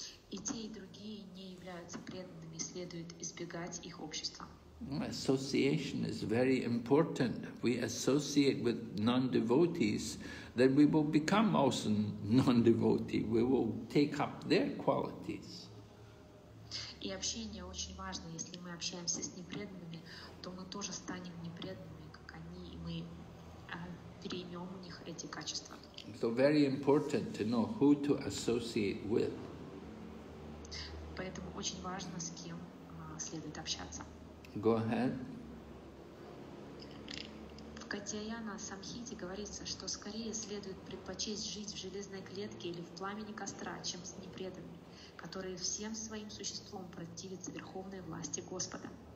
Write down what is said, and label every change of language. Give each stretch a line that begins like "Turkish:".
Russian: И те, и другие не являются преданными, следует избегать их общества.
English: Association is very important. We associate with non-devotees, then we will become also non-devotee. We will take up their qualities.
Russian: И общение очень важно. Если мы общаемся с непреданными, то мы тоже станем непреданными, как они, и мы переймем у них эти качества.
English: So very important to know who to associate with.
Russian: Поэтому очень важно, с кем следует общаться.
English: Go ahead.
Russian: В Катьяяна Самхите говорится, что скорее следует предпочесть жить в железной клетке или в пламени костра, чем с непреданными, которые всем своим существом противятся верховной власти Господа.